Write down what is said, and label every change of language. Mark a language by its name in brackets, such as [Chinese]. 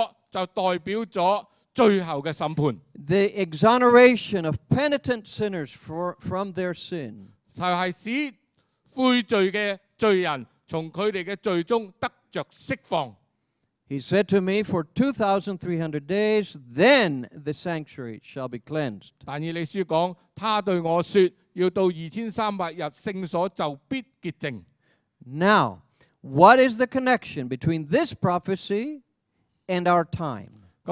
[Chinese] 所以呢，洁净圣所就代表了最后的审判。 [English] The exoneration of penitent sinners from their sin. [Chinese] 就是使悔罪的罪人从他们的罪中得着释放。 [English] He said to me, for 2,300 days, then the sanctuary shall be cleansed. [Chinese] 但以利书说，他对我说， 要到2,300日，圣所就必洁净。 [English] Now, what is the connection between this prophecy and our time?